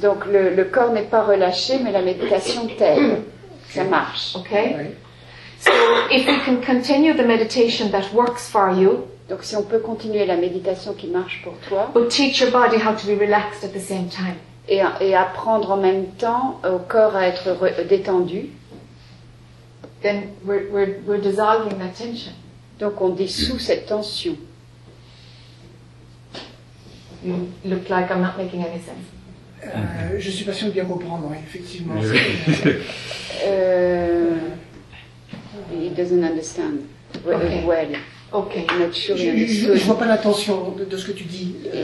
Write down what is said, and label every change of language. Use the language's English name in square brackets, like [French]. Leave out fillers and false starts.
[French] Donc le corps n'est pas relaxé, mais la méditation t'aide. Ça marche. [English] Okay. So if you can continue the meditation that works for you, [French] donc si on peut continuer la méditation qui marche pour toi, [English] but teach your body how to be relaxed at the same time. [French] Et apprendre en même temps au corps à être détendu. [English] Then we're dissolving that tension. [French] Donc on dissout cette tension. [English] You look like I'm not making any sense. [French] Je suis pas sûr de bien comprendre, oui, effectivement. Oui. [English] He doesn't understand well. Okay. Not sure he understood. [French] Je vois pas l'attention de ce que tu dis.